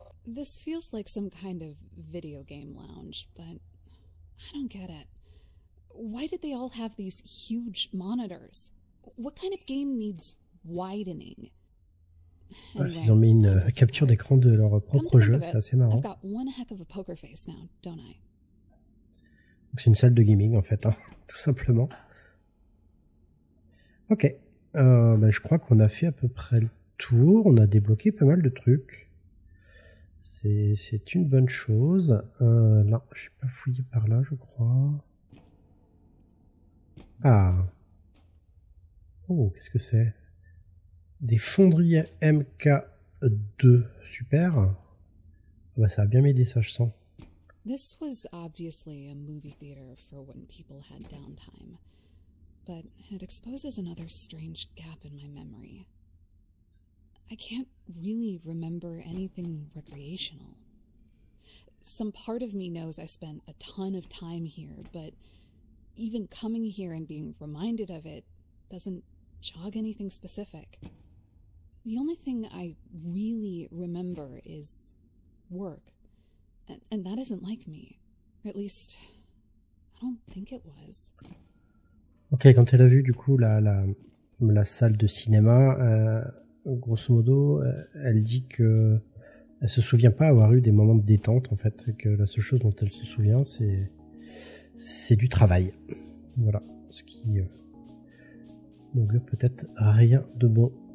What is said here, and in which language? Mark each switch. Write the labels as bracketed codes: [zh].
[en] This feels like some kind of video game lounge, but I don't get it. Why did they all have these huge monitors? What kind of game needs widening? [fr] Ils ont mis une capture d'écran de leur propre jeu, c'est assez marrant. [en] I've got one heck of a poker face now, don't I? [fr] C'est une salle de gaming en fait, hein, tout simplement. Ok, ben, je crois qu'on a fait à peu près le tour, on a débloqué pas mal de trucs. C'est une bonne chose. Là, je suis pas fouillé par là, je crois. Ah. Oh, qu'est-ce que c'est? Des fonderies MK2. Super. Ah bah, ça a bien m'aidé, ça, je sens. [en] This was obviously a movie theater for when people had downtime. But it exposes another strange gap in my memory. I can't really remember anything recreational. Some part of me knows I spent a ton of time here, but even coming here and being reminded of it doesn't jog anything specific. The only thing I really remember is work, and that isn't like me. At least, I don't think it was. [fr] Ok, quand elle a vu du coup la salle de cinéma. Grosso modo, elle dit que elle se souvient pas avoir eu des moments de détente en fait, que la seule chose dont elle se souvient c'est du travail. Voilà, ce qui n'augure peut-être rien de bon.